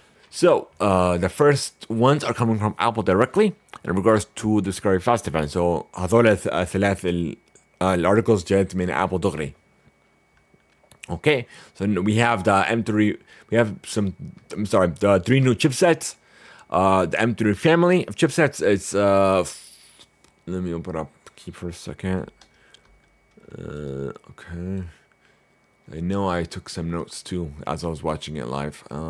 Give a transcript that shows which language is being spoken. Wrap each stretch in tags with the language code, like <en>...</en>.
<en>So the first ones are coming from Apple directly in regards to the Scarryfast event. So</en> <ar>هذول الثلاث الارتيكلز جت من Apple دغري.</ar> <en>Okay, so we have the M3, we have some, I'm sorry, the three new chipsets, the M3 family of chipsets, it's, let me open up key for a second, okay, I know I took some notes too, as I was watching it live,</en>